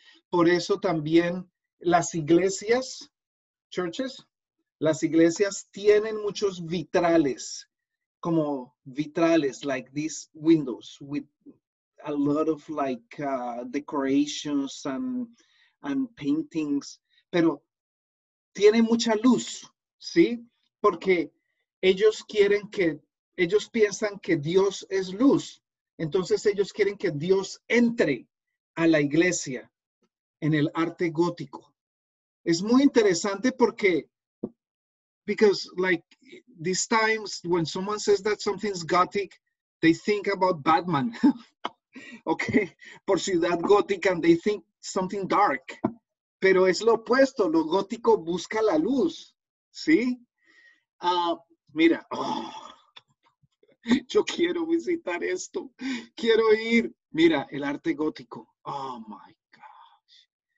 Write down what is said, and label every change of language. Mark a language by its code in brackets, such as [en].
[es] Por eso también las iglesias, churches, las iglesias tienen muchos vitrales, como vitrales, [en] like these windows, with a lot of like decorations and paintings. [es] Pero tiene mucha luz, ¿sí? Porque ellos piensan que Dios es luz. Entonces ellos quieren que Dios entre a la iglesia en el arte gótico. Es muy interesante porque [en] because like these times when someone says that something's gothic, they think about Batman, okay? [es] Por ciudad gótica, [en] and they think something dark. [es] Pero es lo opuesto, lo gótico busca la luz, ¿sí? Mira, yo quiero visitar esto, quiero ir. Mira, el arte gótico, [en] oh my gosh.